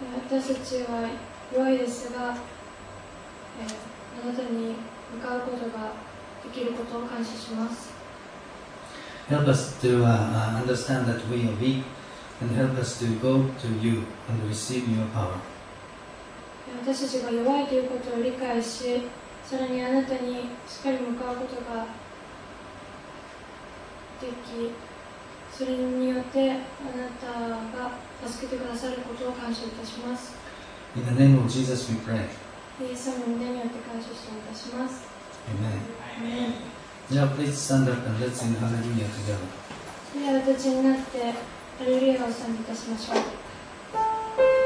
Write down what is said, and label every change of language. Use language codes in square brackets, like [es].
[ja] 私たちは弱いですが、あなたに向かうことができることを感謝します。 [en] Help us to understand that we are weak, and help us to go to you and receive your power. [ja] 私たちが弱いということを理解し、さらにあなたにしっかり向かうことができ、それによってあなたが助けてくださることを感謝いたします。 [en] In the name of Jesus we pray. [ja] イエス様の名によって感謝していたします。 [en] Amen. Amen. Now please stand up and let's sing Hallelujah together. [ja] では立ちになってハレルヤを賛美いたしましょう。